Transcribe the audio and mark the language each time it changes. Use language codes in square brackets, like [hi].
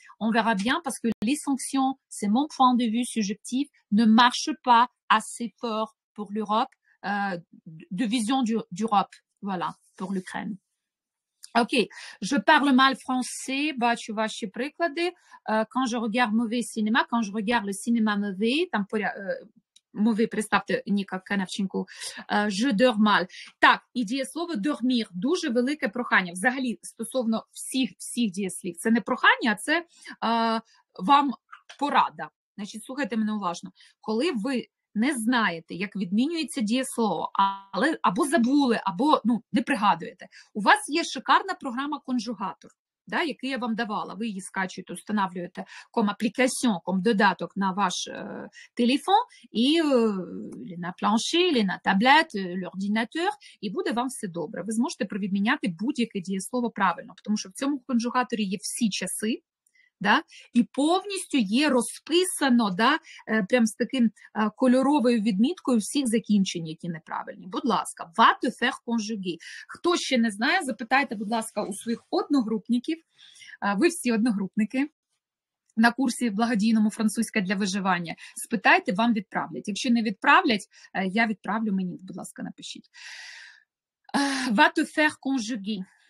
[fr] On verra bien parce que les sanctions, c'est mon point de vue subjectif, ne marchent pas assez fort pour l'Europe, de vision d'Europe, voilà, pour l'Ukraine. Ok, je parle mal français, bah tu vois, je suis préclade. Quand je regarde mauvais cinéma, quand je regarde le cinéma mauvais, mauvais, [ru] представьте, [fr] Ніка Канавченко, je dors mal. [uk] Так, і дієслово «дормір» – дуже велике прохання. Взагалі, стосовно всіх дієслів, це не прохання, а це вам порада. Значить, слухайте мене уважно. Коли ви не знаєте, як відмінюється дієслово, але або забули, або ну не пригадуєте. У вас є шикарна програма «Конжугатор», да, який я вам давала. Ви її скачуєте, встановлюєте ком аплікаціон, ком додаток на ваш телефон, і на планші, і на таблет, l'ordinateur, і буде вам все добре. Ви зможете провідміняти будь-яке дієслово правильно, тому що в цьому конжугаторі є всі часи. Да? І повністю є розписано, да, прям з таким кольоровою відміткою всіх закінчень, які неправильні. [fr] Будь ласка, va te faire conjuguer. [uk] Хто ще не знає, запитайте, будь ласка, у своїх одногрупників. Ви всі одногрупники на курсі благодійному «Французька для виживання». Спитайте, вам відправлять. Якщо не відправлять, я відправлю, мені, будь ласка, напишіть. [fr] Va te faire conjuguer.